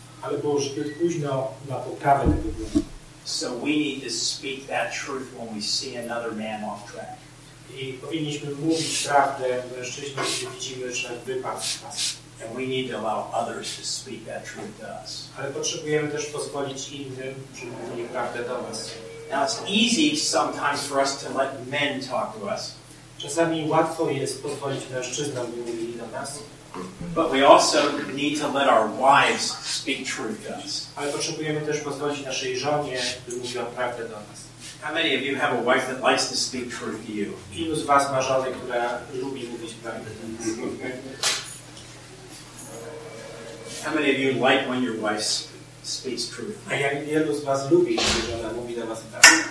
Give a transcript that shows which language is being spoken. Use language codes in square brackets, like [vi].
[pl] Ale było już zbyt późno na poprawę tego błędu. [en] So we need to speak that truth when we see another man off track. [pl] I powinniśmy mówić prawdę mężczyźnie, gdy widzimy, że wypadł z pasy. [en] And we need to allow others to speak that truth to us. [pl] Ale potrzebujemy też pozwolić innym, żeby mówili prawdę do nas. [en] Now it's easy sometimes for us to let men talk to us. [pl] Czasami łatwo jest pozwolić mężczyznom, by mówili do nas. [en] But we also need to let our wives speak truth to us. [pl] Ale potrzebujemy też pozwolić naszej żonie, by mówiła prawdę do nas. [en] How many of you have a wife that likes to speak truth to you? [pl] Ilu z was ma żonę, która lubi mówić prawdę do nas? [en] How many of you like when your wife speaks truth? [pl] A jak wielu z was lubi, kiedy żona mówi do was prawdę?